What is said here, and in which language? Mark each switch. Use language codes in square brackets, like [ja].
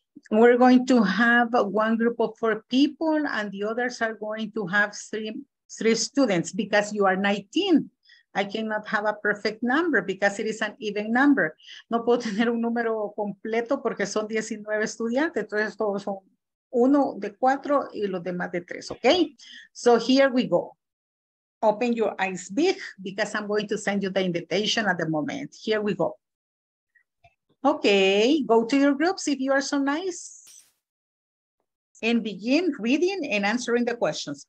[en] We're going to have one group of 4 people and the others are going to have 3 students because you are 19. I cannot have a perfect number because it is an even number. [es] No puedo tener un número completo porque son 19 estudiantes. Entonces todos son 1 de 4 y los demás de 3, okay? [en] So here we go. Open your eyes big because I'm going to send you the invitation at the moment. Here we go. Okay, go to your groups if you are so nice and begin reading and answering the questions.